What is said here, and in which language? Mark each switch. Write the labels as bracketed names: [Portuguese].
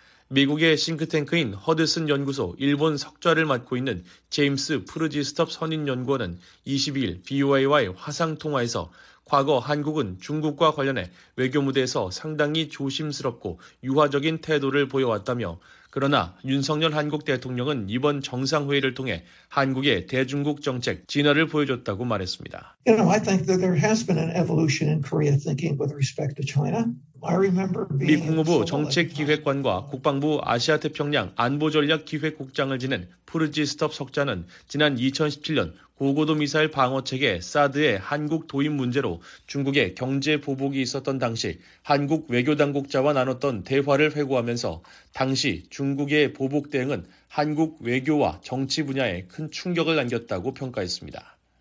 [Korean] 미국의 싱크탱크인 허드슨 연구소 일본 석좌를 맡고 있는 제임스 프루지스톱 선임연구원은 22일 BOI와의 화상통화에서 과거 한국은 중국과 관련해 외교 무대에서 상당히 조심스럽고 유화적인 태도를 보여왔다며 그러나 윤석열 한국 대통령은 이번 정상회의를 통해 한국의 대중국 정책 진화를 보여줬다고 말했습니다. [English] You know, I think that there has been an evolution in Korea thinking with respect to China. [Korean] 미 국무부 정책기획관과 국방부 아시아태평양 안보전략기획국장을 지낸 푸르지스톱 석좌는 지난 2017년 고고도 미사일 방어체계 사드의 한국 도입 문제로 중국의 경제 보복이 있었던 당시 한국 외교당국자와 나눴던 대화를 회고하면서 당시 중국의 보복 대응은 한국 외교와 정치 분야에 큰 충격을 남겼다고 평가했습니다.